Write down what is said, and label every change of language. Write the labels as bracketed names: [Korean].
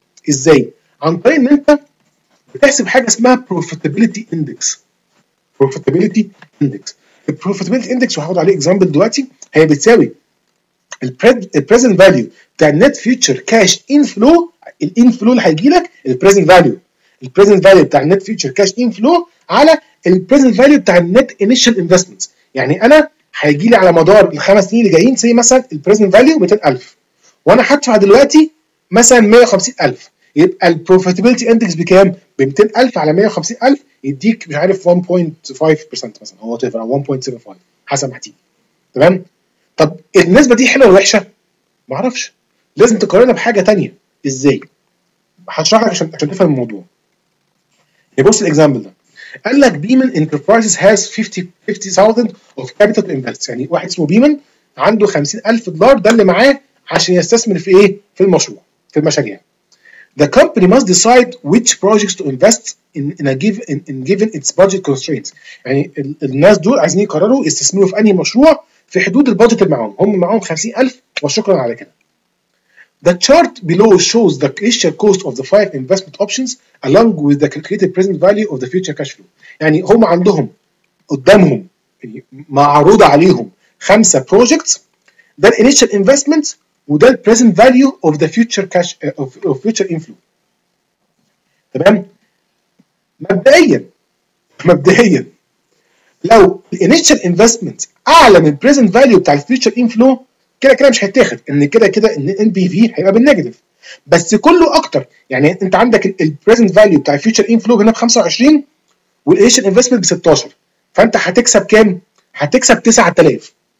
[Arabic] ازاي؟ عن طريق ان انت بتحسب حاجه اسمها profitability index. profitability index، profitability index وهاخد عليه example دلوقتي، هي بتساوي present value بتاع net future cash inflow. الانفلو اللي هيجي لك البريزنت فاليو، البريزنت فاليو بتاع النت فيوتشر كاش انفلو على البريزنت فاليو بتاع النت انيشال انفستمنت. يعني انا هيجي لي على مدار الخمس سنين اللي جايين زي مثلا البريزنت فاليو 200000 وانا هدفع دلوقتي مثلا 150000، يبقى البروفيتابيلتي اندكس بكام؟ ب 200000 على 150000 يديك مش عارف 1.5% مثلا، هو تقريبا 1.75 حسب ما هتيجي، تمام؟ طب النسبه دي حلوه ولا وحشه؟ ما اعرفش، لازم تقارنها بحاجه ثانيه. ازاي؟ هشرح لك عشان تفهم الموضوع. يبص الاكزامبل ده، قال لك [English] Beeman enterprises has 50000 of capital invests, [Arabic] يعني واحد اسمه بيمن عنده 50000 دولار ده اللي معاه عشان يستثمر في ايه؟ في المشروع، في المشاريع. [English] The company must decide which projects to invest in given its budget constraints. [Arabic] يعني الناس دول عايزين يقرروا يستثمروا في انهي مشروع في حدود البادجت اللي معاهم، هم معاهم 50000 وشكرا على كده. [English] The chart below shows the initial cost of the 5 investment options along with the calculated present value of the future cash flow. [Arabic] يعني هم عندهم قدامهم معروض عليهم 5 projects، ده الـ initial investments وده الـ present value of the future cash of future inflow. تمام؟ مبدئيا لو الـ initial investments اعلى من الـ present value بتاع الـ future inflow كده كده مش هيتاخد، ان كده كده ان NPV هيبقى بالنيجاتيف، بس كله اكتر. يعني انت عندك الـ present value بتاع الـ future inflow هنا ب 25 والـ initial investment ب 16، فانت هتكسب كام؟ هتكسب 9000.